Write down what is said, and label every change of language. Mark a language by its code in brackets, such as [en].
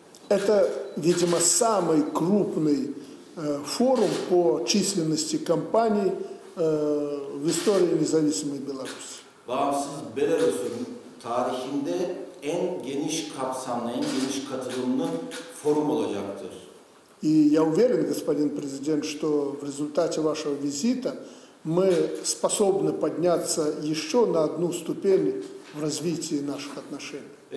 [ru] Это, видимо, самый крупный форум по численности компаний в истории независимой Беларуси. [tr] Bağımsız Belarus'un tarihinde en geniş kapsamlı, en geniş katılımlı forum olacaktır. [ru] И я уверен, господин президент, что в результате вашего визита мы способны подняться еще на одну ступень в развитии наших отношений.